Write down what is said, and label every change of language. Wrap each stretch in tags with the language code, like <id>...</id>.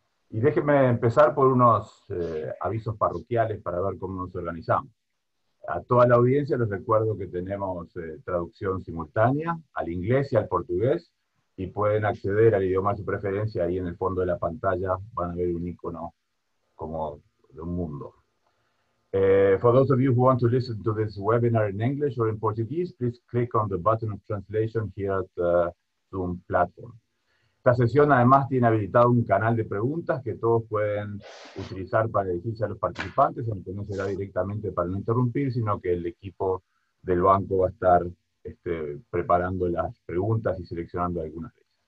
<es>Y déjenme empezar por unos avisos parroquiales para ver cómo nos organizamos. A toda la audiencia les recuerdo que tenemos traducción simultánea al inglés y al portugués y pueden acceder al idioma de su preferencia. Ahí en el fondo de la pantalla van a ver un icono como de un mundo.</es> <en>For those of you who want to listen to this webinar in English or in Portuguese, please click on the button of translation here at the Zoom platform.</en> <es>Esta sesión además tiene habilitado un canal de preguntas que todos pueden utilizar para dirigirse a los participantes, aunque no será directamente para no interrumpir, sino que el equipo del banco va a estar preparando las preguntas y seleccionando algunas de ellas.</es>